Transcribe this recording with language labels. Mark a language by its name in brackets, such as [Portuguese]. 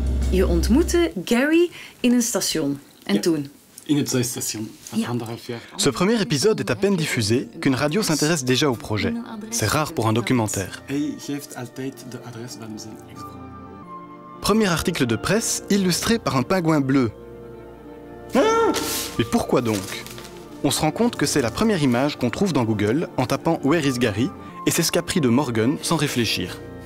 [Dutch] Je ontmoette Gary in een station. En toen? In het station. Anderhalf jaar. [French] Ce premier épisode est à peine diffusé qu'une radio s'intéresse déjà au projet. C'est rare pour un documentaire. [Dutch] Hij geeft altijd de adres van zijn ex-vrouw. [French] Premier article de presse illustré par un pingouin bleu. Mais pourquoi donc? On se rend compte que c'est la première image qu'on trouve dans Google en tapant « [English] Where is Gary ?» [French] et c'est ce qu'a pris de Morgan sans réfléchir.